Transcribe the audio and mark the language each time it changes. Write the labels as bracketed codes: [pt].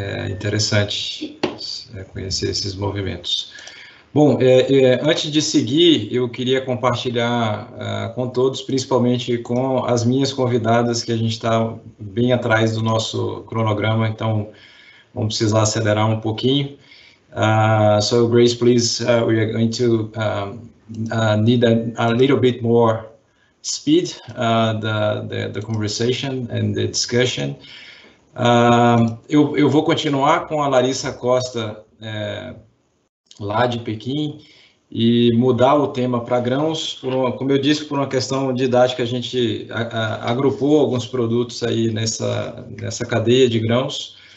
[pt] Interessante conhecer esses movimentos. Bom, antes de seguir, eu queria compartilhar com todos, principalmente com as minhas convidadas, que a gente está bem atrás do nosso cronograma, então vamos precisar acelerar um pouquinho. [en] So, Grace, please, we are going to need a little bit more speed, the conversation and the discussion. [pt] Eu vou continuar com a Larissa Costa, lá de Pequim, e mudar o tema para grãos, como eu disse, por uma questão didática, a gente agrupou alguns produtos aí nessa cadeia de grãos.